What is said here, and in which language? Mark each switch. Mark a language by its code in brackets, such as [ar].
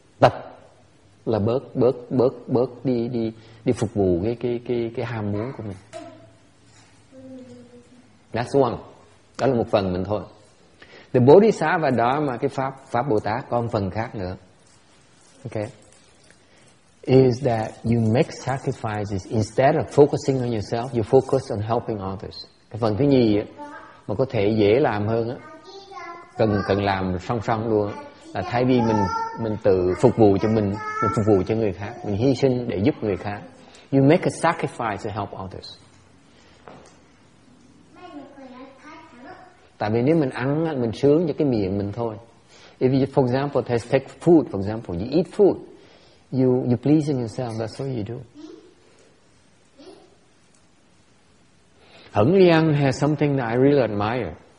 [vi] Tập là bớt đi đi đi phục vụ cái ham muốn của mình. [en] That's one. [vi] Đó là một phần mình thôi. [en] The Bodhisattva Dharma, [vi] cái pháp Bồ Tát còn phần khác nữa. [en] Okay. Is that you make sacrifices instead of focusing on yourself, you focus on helping others. [vi] Cái phần thứ nhì á, mà có thể dễ làm hơn á, cần làm song song luôn á, là thay vì mình tự phục vụ cho mình phục vụ cho người khác, mình hy sinh để giúp người khác. [en] You make a sacrifice to help others. [vi] Tại vì nếu mình ăn mình sướng cho cái miệng mình thôi. [en] If you, for example, take food, for example, you eat food, you pleasing yourself, that's what you do. Hưng Liang has something that I really admire.